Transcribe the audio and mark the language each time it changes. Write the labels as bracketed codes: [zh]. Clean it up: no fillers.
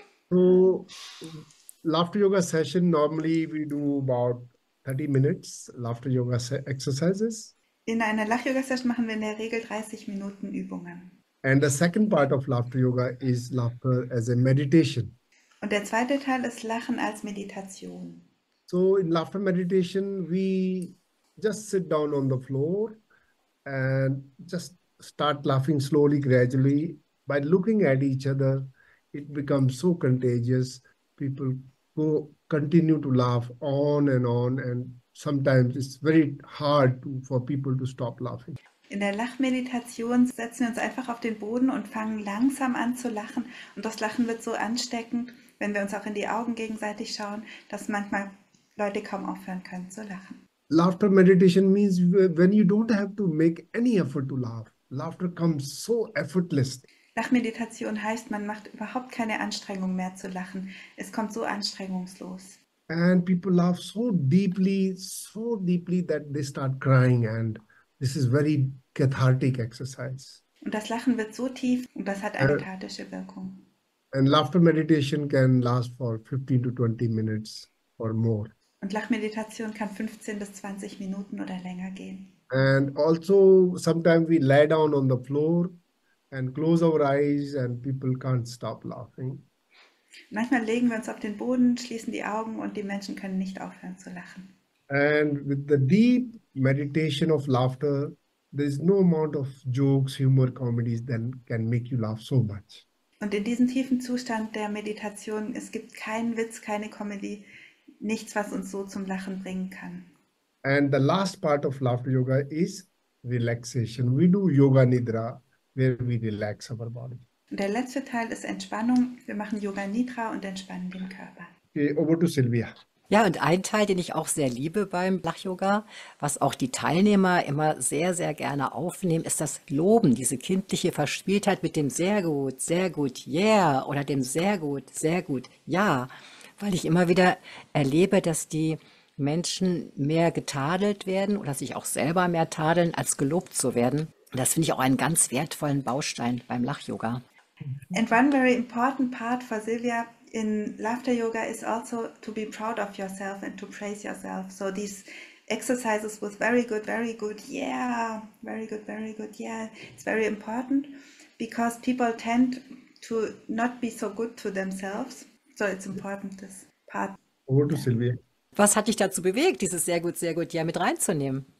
[en] So, laughter yoga session, normally we do about 30 minutes laughter yoga exercises. [de] In einer Lach-Yoga-Session machen wir in der Regel 30 Minuten Übungen. [en] And the second part of laughter yoga is laughter as a meditation. [de] Und der zweite Teil ist Lachen als Meditation. [en] So in laughter meditation, we just sit down on the floor and just start laughing slowly, gradually. By looking at each other, it becomes so contagious. People go continue to laugh on, and sometimes it's very hard for people to stop laughing. [de] In der Lachmeditation setzen wir uns einfach auf den Boden und fangen langsam an zu lachen. Und das Lachen wird so ansteckend, wenn wir uns auch in die Augen gegenseitig schauen, dass manchmal Leute kaum aufhören können zu lachen. [en] Laughter meditation means when you don't have to make any effort to laugh. Laughter comes so effortlessly. [de] Lachmeditation heißt, man macht überhaupt keine Anstrengung mehr zu lachen. Es kommt so anstrengungslos. [en] And people laugh so deeply that they start crying. And this is very cathartic exercise. [de] Und das Lachen wird so tief und das hat eine kathartische Wirkung. [en] And laughter meditation can last for 15 to 20 minutes or more. [de] Und Lachmeditation kann 15 bis 20 Minuten oder länger gehen. [en] And also sometimes we lay down on the floor and close our eyes and people can't stop laughing. [de] Manchmal legen wir uns auf den Boden, schließen die Augen und die Menschen können nicht aufhören zu lachen. [en] And with the deep meditation of laughter, there is no amount of jokes, humor, comedies that can make you laugh so much. [de] Und in diesem tiefen Zustand der Meditation, es gibt keinen Witz, keine Comedy, nichts, was uns so zum Lachen bringen kann. [en] And the last part of laughter yoga is relaxation. We do yoga nidra, where we relax our body. [de] Der letzte Teil ist Entspannung. Wir machen Yoga Nidra und entspannen den Körper. [en] Okay, over to Silvia. [de] Ja, und ein Teil, den ich auch sehr liebe beim Lach-Yoga, was auch die Teilnehmer immer sehr, sehr gerne aufnehmen, ist das Loben, diese kindliche Verspieltheit mit dem sehr gut, yeah, oder dem sehr gut, ja. Weil ich immer wieder erlebe, dass die Menschen mehr getadelt werden oder sich auch selber mehr tadeln, als gelobt zu werden. Das finde ich auch einen ganz wertvollen Baustein beim Lach-Yoga. [en] And one very important part for Silvia in laughter yoga is also to be proud of yourself and to praise yourself. So these exercises with very good, yeah, very good, yeah. It's very important because people tend to not be so good to themselves. So it's important, this part. Over to Silvia. [de] Was hat dich dazu bewegt, dieses sehr gut, ja mit reinzunehmen?